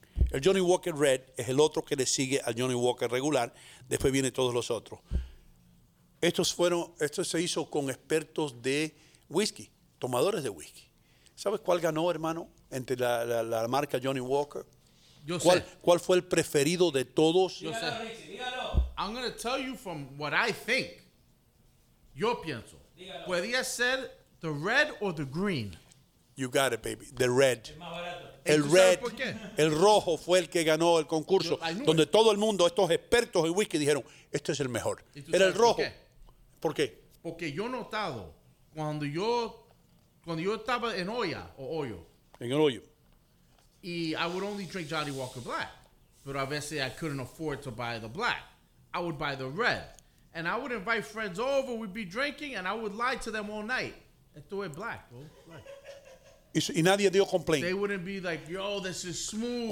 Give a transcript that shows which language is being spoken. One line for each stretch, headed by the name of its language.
Spanish: El Johnny Walker Red es el otro que le sigue al Johnny Walker regular, después vienen todos los otros. Esto se hizo con expertos de whisky, tomadores de whisky. ¿Sabes cuál ganó, hermano, entre la marca Johnny Walker? Yo ¿Cuál, sé. ¿Cuál fue el preferido de todos? Yo sé.
English: I'm going to tell you from what I think.
Spanish: Yo pienso. Dígalo. ¿Podría ser
English: the red or the green? You got it, baby. The red.
Spanish: El más barato. El red. El rojo fue el que ganó el concurso. Donde todo el mundo, estos expertos en whisky, dijeron, este es el mejor. Era el rojo. ¿Por qué? Porque yo he notado, cuando yo estaba en olla o hoyo. En el hoyo.
English: Y I would only drink Johnny Walker Black.
Spanish: Pero a veces
English: I couldn't afford to buy the black. I would buy the red. And I would invite friends over, we'd be drinking, and I would lie to them all night.
Spanish: Esto es
English: black, bro.
Spanish: Y nadie dio complaint.
English: They wouldn't be like, yo, this is smooth.